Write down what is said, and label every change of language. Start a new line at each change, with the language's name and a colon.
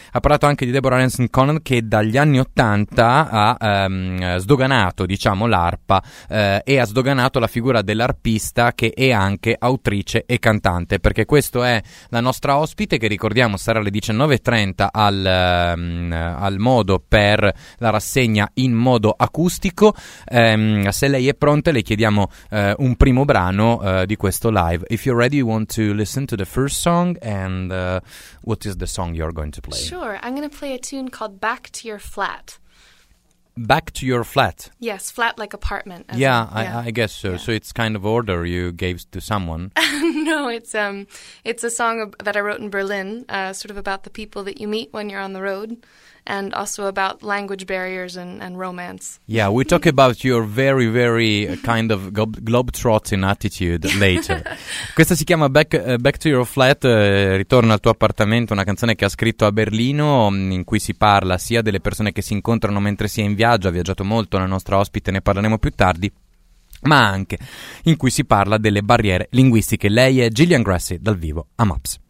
Italian: Ha parlato anche di Deborah Hanson Conant, che dagli anni '80 ha sdoganato, diciamo, l'arpa e ha sdoganato la figura dell'arpista, che è anche autrice e cantante, perché questo è la nostra ospite, che ricordiamo sarà alle 19:30 al modo per la rassegna In modo acustico. Se lei è pronta, le chiediamo un primo brano di questo live.
English: If you're ready, you want to listen to the first song, and what is the song you're going to play? Sure, I'm going to play a tune called Back to Your Flat. Back to Your Flat. Yes, flat like apartment. Yeah, I guess so. Yeah. So it's kind of order you gave to someone. No, it's a song that I wrote in Berlin, sort of about the people that you meet when you're on the road, and also about language barriers and romance. Yeah, we talk about your very, very kind of globetrotting attitude later.
Italian: Questa si chiama Back to Your Flat, Ritorno al tuo appartamento, una canzone che ha scritto a Berlino, in cui si parla sia delle persone che si incontrano mentre si è in viaggio, ha viaggiato molto la nostra ospite, ne parleremo più tardi, ma anche in cui si parla delle barriere linguistiche. Lei è Gillian Grassi, dal vivo a MAPS.